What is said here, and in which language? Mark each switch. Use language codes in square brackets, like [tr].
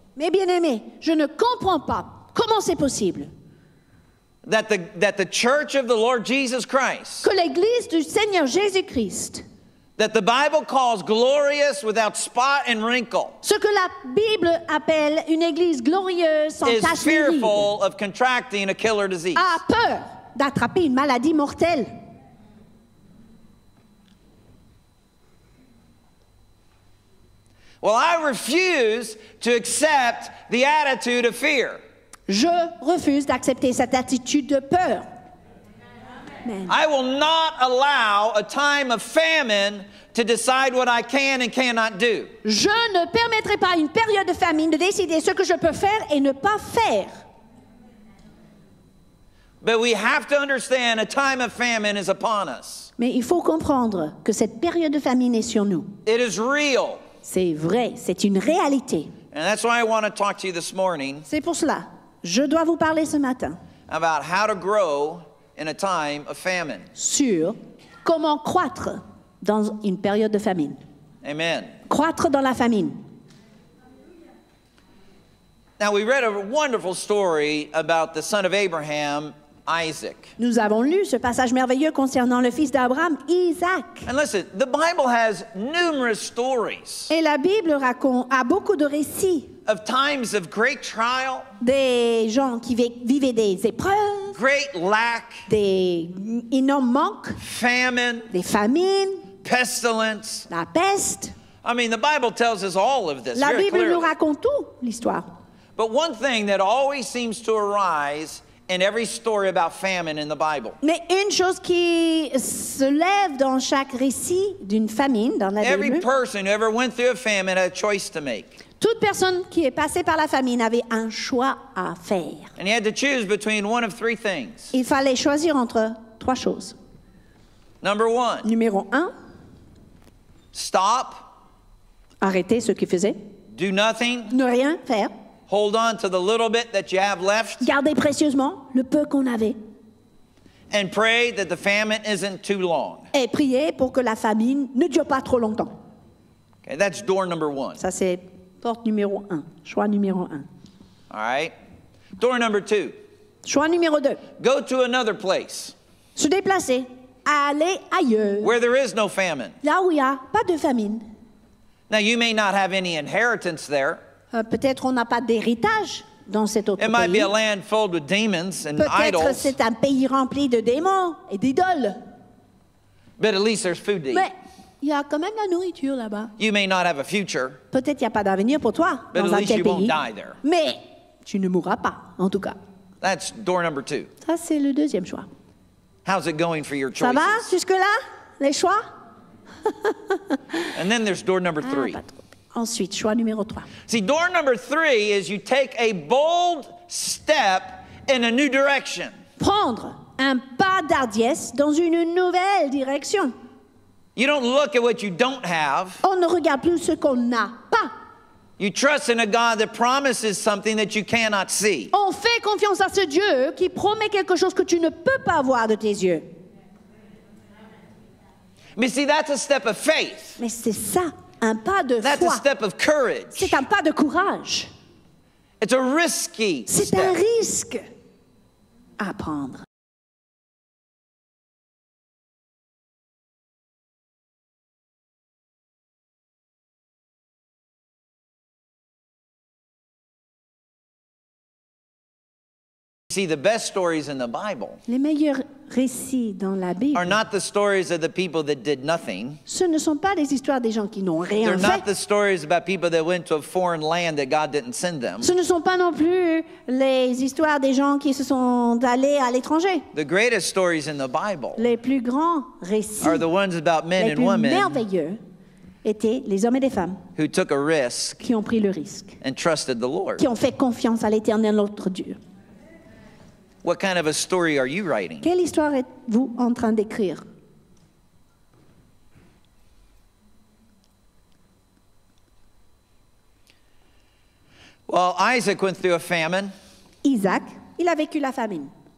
[fr] Mes bien-aimés, je ne comprends pas comment c'est possible. [en] That the church of the Lord Jesus Christ, [fr] que l'église du Seigneur Jésus Christ, [en] that the Bible calls glorious without spot and wrinkle, [fr] ce que la Bible appelle une église glorieuse sans tache ni ride, [en] is fearful of contracting a killer disease. [fr] A peur d'attraper une maladie mortelle. [en] Well, I refuse to accept the attitude of fear. Je refuse d'accepter cette attitude de peur. Amen. I will not allow a time of famine to decide what I can and cannot do. [fr] Je ne permettrai pas une période de famine de décider ce que je peux faire et ne pas faire. [en] But we have to understand a time of famine is upon us. [fr] Mais il faut comprendre que cette période de famine est sur nous. [en] It is real. [fr] C'est vrai, c'est une réalité. [en] And that's why I want to talk to you this morning. [fr] C'est pour cela. Je dois vous parler ce matin [en] about how to grow in a time of famine. [fr] Sur comment croître dans une période de famine. [en] Amen. [fr] Croître dans la famine. [en] Now we read a wonderful story about the son of Abraham, Isaac. [fr] Nous avons lu ce passage merveilleux concernant le fils d'Abraham, Isaac. [en] And listen, the Bible has numerous stories. [fr] Et la Bible raconte a beaucoup de récits. [en] Of times of great trial, [fr] des gens qui vivaient des épreuves, [en] great lack, [fr] des énormes manques, [en] famine, [fr] des famines, [en] pestilence, [fr] la peste. [en] I mean, the Bible tells us all of this. [fr] La [en] very [fr] Bible [en] clearly [fr] nous raconte tout l'histoire. [en] But one thing that always seems to arise in every story about famine in the Bible. [fr] Mais une chose qui se lève dans chaque récit d'une famine dans la Bible. [en] Every person who ever went through a famine had a choice to make. [fr] Toute personne qui est passée par la famine avait un choix à faire. [en] And he had to choose between one of three things. [fr] Il fallait choisir entre trois choses. [en] Number one. [fr] Numéro un. [en] Stop. [fr] Arrêter ce qu'il faisait. [en] Do nothing. [fr] Ne rien faire. [en] Hold on to the little bit that you have left. [fr] Garder précieusement le peu qu'on avait. [en] And pray that the famine isn't too long. [fr] Et prier pour que la famine ne dure pas trop longtemps. [en] Okay, that's door number one. [fr] Ça c'est porte numéro un, choix numéro un. [en] All right. Door number two. [fr] Choix numéro deux. [en] Go to another place. [fr] Se déplacer, aller ailleurs. [en] Where there is no famine. [fr] Là où il n'y a pas de famine. [en] Now you may not have any inheritance there. [fr] Peut-être on n'a pas d'héritage dans cet autre pays. [en] It might be a land filled with demons and [fr] peut-être [en] idols. [fr] Peut-être c'est un pays rempli de démons et d'idoles. [en] But at least there's food to eat. [fr] Mais il y a quand même la nourriture là-bas. [en] You may not have a future. [fr] Peut-être qu'il n'y a pas d'avenir pour toi [en] but [fr] dans un tel pays. [en] Won't die there. [fr] Mais tu ne mourras pas, en tout cas. [en] That's door number two. [fr] Ça, c'est le deuxième choix. [en] How's it going for your choices? [fr] Ça va jusque-là, les choix? [en] And then there's door number three. [fr] Ensuite, choix numéro trois. [en] See, door number three is you take a bold step in a new direction. [fr] Prendre un pas d'hardiesse dans une nouvelle direction. [en] You don't look at what you don't have. [fr] On ne regarde plus ce qu'on n'a pas. [en] You trust in a God that promises something that you cannot see. [fr] On fait confiance à ce Dieu qui promet quelque chose que tu ne peux pas voir de tes yeux. [en] Mais see, that's a step of faith. [fr] Mais c'est ça, un pas de foi. [en] That's a step of courage. [fr] C'est un pas de courage. [en] It's a risky step. [fr] C'est un risque à prendre. [en] See, the best stories in the Bible, [fr] les meilleurs récits dans la Bible, [en] are not the stories of the people that did nothing. [fr] Ce ne sont pas les histoires des gens qui n'ont rien fait. [en] They're not the stories about people that went to a foreign land that God didn't send them. [fr] Ce ne sont pas non plus les histoires des gens qui se sont allés à l'étranger. [en] The greatest stories in the Bible, [fr] les plus grands récits, [en] are the ones about men and women. [fr] Les plus merveilleux étaient les hommes et les femmes [en] who took a risk, [fr] qui ont pris le risque, [en] and trusted the Lord, [fr] qui ont fait confiance à l'Éternel notre Dieu. [en] What kind of a story are you writing? [fr] Quelle histoire êtes-vous en train d'écrire? [en] Well, Isaac went through a famine. [fr] Isaac, il a vécu la famine.